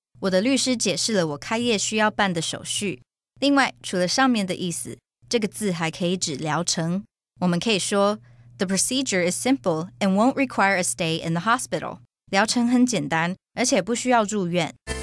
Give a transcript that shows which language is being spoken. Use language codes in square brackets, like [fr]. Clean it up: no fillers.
[zh] 我的律师解释了我开业需要办的手续。另外,除了上面的意思,这个字还可以指疗程。我们可以说, [en] The procedure is simple and won't require a stay in the hospital. [zh] 疗程很简单,而且不需要住院。